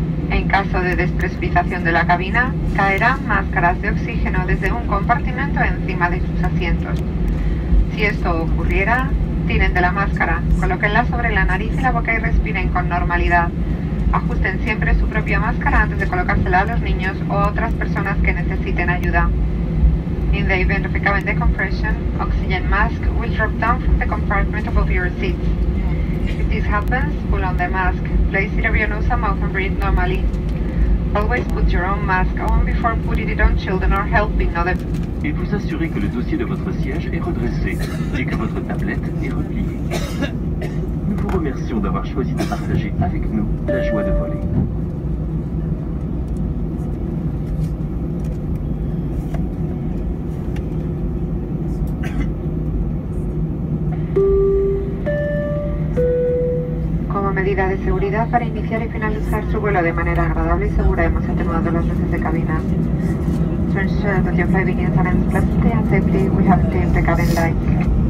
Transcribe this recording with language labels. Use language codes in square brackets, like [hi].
[es] En caso de despresurización de la cabina, caerán máscaras de oxígeno desde un compartimento encima de sus asientos. Si esto ocurriera, tiren de la máscara, colóquenla sobre la nariz y la boca y respiren con normalidad. Ajusten siempre su propia máscara antes de colocársela a los niños o a otras personas que necesiten ayuda. [en] In the event of a cabin decompression, oxygen mask will drop down from the compartment above your seats. If this happens, pull on the mask. Place it over your nose and mouth and breathe normally. Always put your own mask on before putting it on children or helping other people. [fr] Et vous assurez que le dossier de votre siège est redressé et que votre tablette est repliée. Nous vous remercions d'avoir choisi de partager avec nous la joie de voler. [es] Medida de seguridad para iniciar y finalizar su vuelo de manera agradable y segura, hemos atenuado las luces de cabina. [en] To ensure that your flight begins and ends pleasantly and safely, we have dimmed the cabin light.